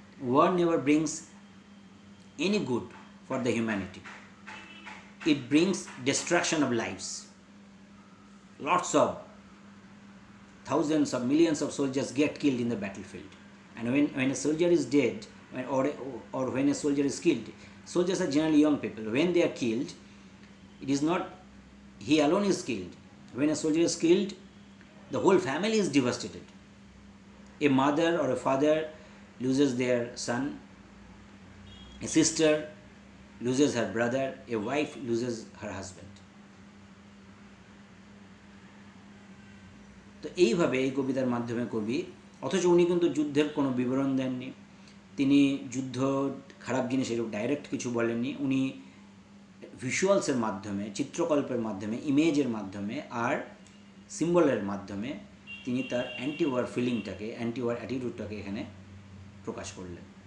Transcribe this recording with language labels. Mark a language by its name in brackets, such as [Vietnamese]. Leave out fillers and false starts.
[English] War never brings any good for the humanity, it brings destruction of lifes, lots of thousands of millions of soldiers get killed in the battle field, and when a soldier is dead or when a soldier is killed, soldiers are generally young people. When they are killed, it is not he alone is killed. When a soldier is killed, the whole family is devastated. A mother or a father loses their son, a sister loses her brother, a wife loses her husband. [Bangla] তো এইভাবে এই কবিতার মাধ্যমে কবি, অথচ উনি কিন্তু যুদ্ধের কোনো বিবরণ দেননি, তিনি যুদ্ধ খারাপ জিনিস এরকম ডাইরেক্ট কিছু বলেননি, উনি ভিজুয়ালসের মাধ্যমে, চিত্রকল্পের মাধ্যমে, ইমেজের মাধ্যমে আর সিম্বলের মাধ্যমে তিনি তার অ্যান্টি ওয়ার ফিলিংটাকে, অ্যান্টি ওয়ার অ্যাটিটিউডটাকে এখানে প্রকাশ করলেন।